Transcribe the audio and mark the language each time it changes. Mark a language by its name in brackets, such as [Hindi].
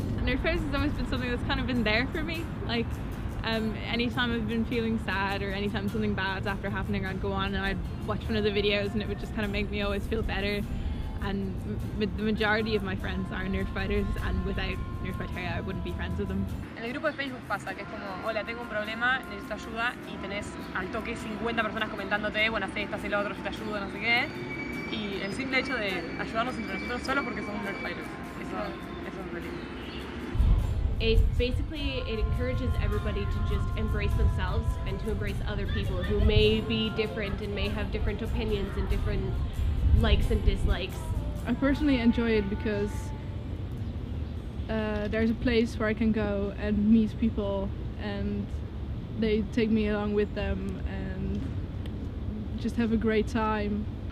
[English] Nerdfighters has always been something that's kind of been there for me. Like, anytime I've been feeling sad or anytime something bad's after happening, I'd go on and I'd watch one of the videos and it would just kind of make me always feel better. And the majority of my friends are Nerdfighters, and without Nerdfighteria I wouldn't be friends with them. [Spanish] En el grupo de Facebook pasa que es como, hola, tengo un problema, necesito ayuda, y tenés al toque 50 personas comentándote, bueno, haces esto, haces lo otro, yo te ayudo, no sé qué. Y el simple hecho de ayudarnos entre nosotros solo porque somos Nerdfighters. Eso es peligroso. [English] It basically, it encourages everybody to just embrace themselves and to embrace other people who may be different and may have different opinions and different likes and dislikes. I personally enjoy it because there's a place where I can go and meet people and they take me along with them and just have a great time.